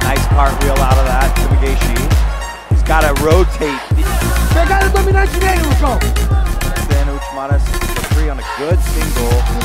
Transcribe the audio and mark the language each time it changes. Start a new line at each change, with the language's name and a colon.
English: Nice cartwheel out of that to Miguechi. He's got to rotate.
Portuguese: Pegada dominante nele, Lucão.
English: Then Uchmanis for three on a good single.